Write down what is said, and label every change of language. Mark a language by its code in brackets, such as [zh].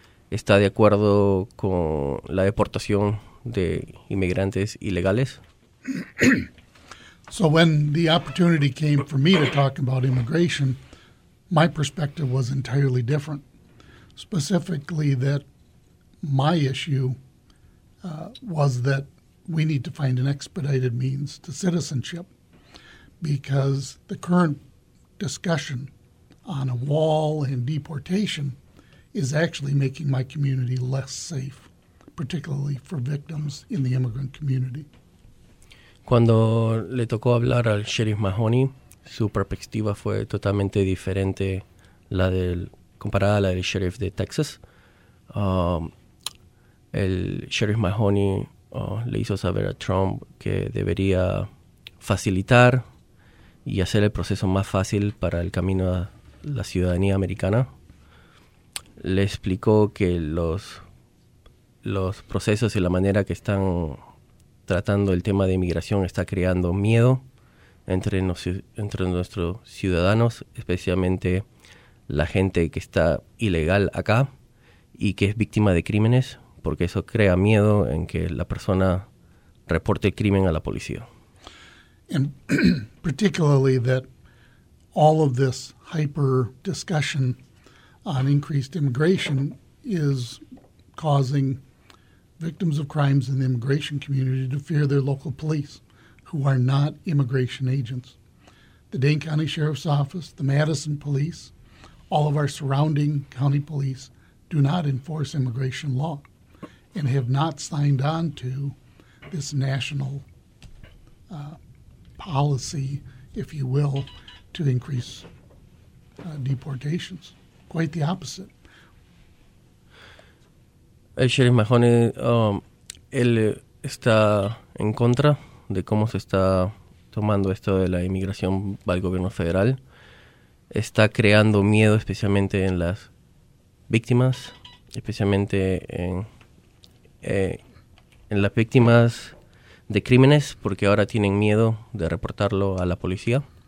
[es] Está de acuerdo con la deportación de inmigrantes ilegales. [en] So when the opportunity came for me to talk about immigration, my perspective was entirely different, specifically that my issue was that we need to find an expedited means to citizenship because the current discussion on a wall and deportation is actually making my community less safe, particularly for victims in the immigrant community. [es] Cuando le tocó hablar al Sheriff Mahoney, su perspectiva fue totalmente diferente comparada a la del sheriff de Texas. El sheriff Mahoney le hizo saber a Trump que debería facilitar y hacer el proceso más fácil para el camino a la ciudadanía americana. Le explicó que los procesos y la manera que están tratando el tema de inmigración está creando miedo entre nuestros ciudadanos, especialmente la gente que está ilegal acá y que es víctima de crímenes, porque eso crea miedo en que la persona reporte el crimen a la policía. [en] And particularly that all of this hyper discussion on increased immigration is causing victims of crimes in the immigration community to fear their local police, who are not immigration agents. The Dane County Sheriff's Office, the Madison Police, all of our surrounding county police do not enforce immigration law and have not signed on to this national policy, if you will, to increase deportations. Quite the opposite. [es] El Sheriff Mahoney, él está en contra de cómo se está tomando esto de la inmigración para el gobierno federal. Está creando miedo especialmente en las víctimas, especialmente en las víctimas de crímenes, porque ahora tienen miedo de reportarlo a la policía.